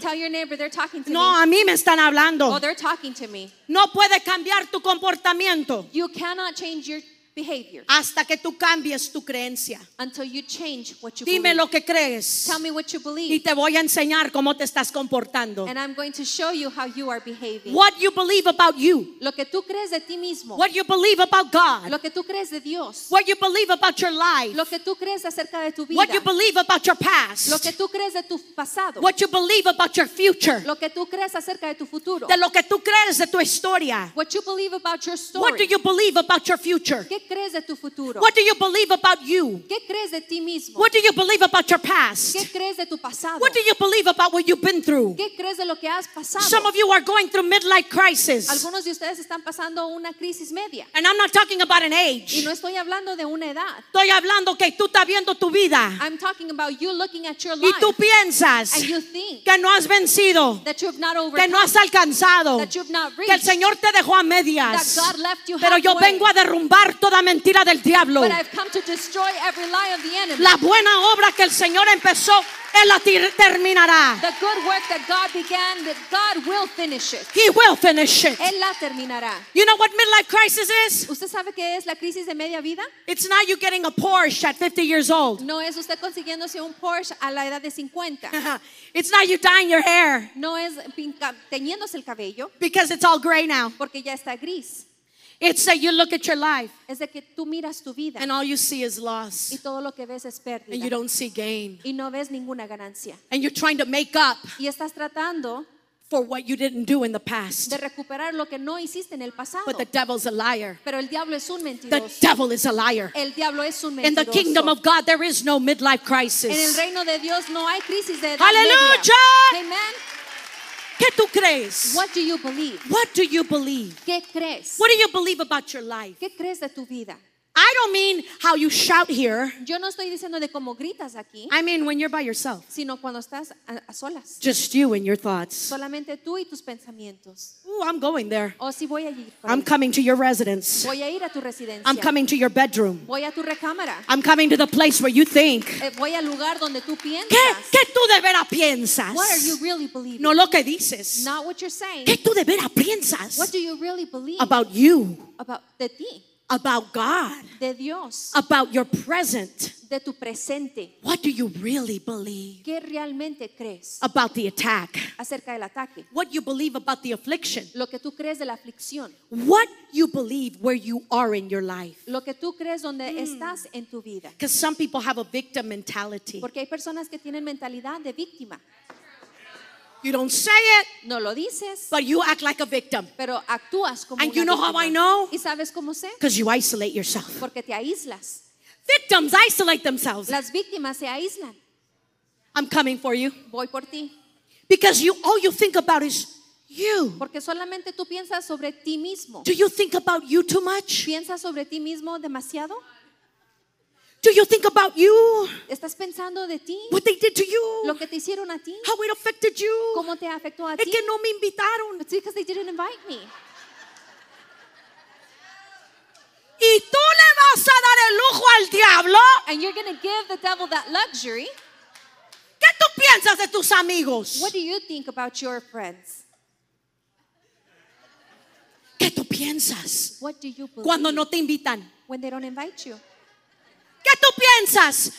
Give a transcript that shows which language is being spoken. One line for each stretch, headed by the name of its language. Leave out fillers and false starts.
English: Tell your neighbor they're talking to
Spanish: no,
English: me.
Spanish: No, a mí me están hablando.
English: Well, they're talking to me.
Spanish: No puede cambiar tu comportamiento.
English: You cannot change your behavior.
Spanish: Hasta que tú cambies tu creencia.
English: Until you change what you
Spanish: dime Dime lo que crees.
English: Tell me what you believe.
Spanish: Y te voy a enseñar cómo te estás comportando.
English: And I'm going to show you how you are behaving. What you believe about you.
Spanish: Lo que tú crees de ti mismo.
English: What you believe about God.
Spanish: Lo que tú crees de Dios.
English: What you believe about your life.
Spanish: Lo que tú crees acerca de tu vida.
English: What you believe about your past.
Spanish: Lo que tú crees de tu pasado.
English: What you believe about your future.
Spanish: Lo que tú crees acerca de tu futuro. De lo que tú crees de tu historia.
English: What you believe about your story. What do you believe about your future?
Spanish: ¿Qué crees de tu futuro?
English: What do you believe about you?
Spanish: ¿Qué crees de ti mismo?
English: What do you believe about your past?
Spanish: ¿Qué crees de tu pasado?
English: What do you believe about what you've been through?
Spanish: ¿Qué crees de lo que has pasado?
English: Some of you are going through midlife crisis.
Spanish: Algunos de ustedes están pasando una crisis media.
English: And I'm not talking about an age.
Spanish: Y no estoy hablando de una edad. Estoy hablando que tú estás viendo tu vida.
English: I'm talking about you looking at your life.
Spanish: Y tú piensas
English: and you think
Spanish: que no has vencido.
English: That you've not overcome.
Spanish: Que no has alcanzado.
English: That you've not reached.
Spanish: Que el Señor te dejó a medias.
English: That God left you
Spanish: pero
English: halfway.
Spanish: Yo vengo a derrumbar toda mentira del diablo.
English: But I've come to destroy every lie of the enemy.
Spanish: La buena obra que el Señor empezó, él la terminará.
English: The good work that God began, that God will finish it. He will finish it.
Spanish: Él la terminará.
English: You know what midlife crisis is?
Spanish: ¿Usted sabe qué es la crisis de media vida?
English: It's not you getting a Porsche at 50 years old.
Spanish: No es usted consiguiéndose un Porsche a la edad de 50.
English: It's not you dyeing your hair.
Spanish: No es teñiéndose el cabello.
English: Because it's all gray now.
Spanish: Porque ya está gris.
English: It's that you look at your life
Spanish: es de que tú miras tu vida,
English: and all you see is loss
Spanish: y todo lo que ves es pérdida,
English: and you don't see gain
Spanish: y no ves ninguna ganancia,
English: and you're trying to make up
Spanish: y estás tratando
English: for what you didn't do in the past
Spanish: de recuperar lo que no hiciste en el pasado.
English: But the devil's a liar.
Spanish: Pero el diablo es un mentiroso.
English: The devil is a liar.
Spanish: El diablo es un mentiroso.
English: In the kingdom of God there is no midlife crisis.
Spanish: En el reino de Dios no hay crisis de edad. Hallelujah! Amen. ¿Qué tú crees?
English: What do you believe? What do you believe?
Spanish: ¿Qué crees?
English: What do you believe about your life?
Spanish: ¿Qué crees de tu vida?
English: I don't mean how you shout here.
Spanish: Yo no estoy diciendo de cómo gritas aquí.
English: I mean when you're by yourself.
Spanish: Sino cuando estás a solas.
English: Just you and your thoughts.
Spanish: Solamente tú y tus pensamientos.
English: Ooh, I'm going there.
Spanish: O si voy a ir.
English: I'm coming to your residence.
Spanish: Voy a ir a tu residencia.
English: I'm coming to your bedroom.
Spanish: Voy a tu recámara.
English: I'm coming to the place where you think.
Spanish: Voy al lugar donde tú piensas. ¿Qué tú de veras piensas?
English: What are you really believing?
Spanish: No lo que dices.
English: Not what you're saying.
Spanish: ¿Qué tú de veras piensas?
English: What do you really believe? About you. About
Spanish: de ti.
English: about God,
Spanish: de Dios,
English: about your present,
Spanish: de tu presente.
English: What do you really believe?
Spanish: ¿Qué realmente crees?
English: About the attack.
Spanish: Acerca del ataque.
English: What you believe about the affliction?
Spanish: Lo que tú crees de la aflicción.
English: What you believe where you are in your life?
Spanish: Lo que tú crees donde estás en tu vida.
English: Because some people have a victim mentality.
Spanish: Porque hay personas que tienen mentalidad de víctima.
English: You don't say it,
Spanish: no lo dices,
English: but you act like a victim.
Spanish: Pero actúas como
English: and
Spanish: una
English: you know
Spanish: víctima.
English: How I know?
Spanish: ¿Y sabes cómo sé?
English: Because you isolate yourself.
Spanish: Porque te aíslas.
English: Victims isolate themselves.
Spanish: Las víctimas se aíslan.
English: I'm coming for you.
Spanish: Voy por ti.
English: Because you, all you think about is you.
Spanish: Porque solamente tú piensas sobre ti mismo.
English: Do you think about you too much?
Spanish: ¿Piensas sobre ti mismo demasiado?
English: Do you think about you?
Spanish: ¿Estás pensando de ti?
English: What they did to you?
Spanish: Lo que te hicieron a ti?
English: How it affected you?
Spanish: ¿Cómo te afectó a ti? Es que no me invitaron.
English: It's because they didn't invite me.
Spanish: ¿Y tú le vas a dar el lujo al diablo?
English: And you're going to give the devil that luxury.
Spanish: ¿Qué tú piensas de tus amigos?
English: What do you think about your friends?
Spanish: ¿Qué tú piensas?
English: What do you believe?
Spanish: Cuando no te invitan.
English: When they don't invite you.
Spanish: ¿Qué tú piensas?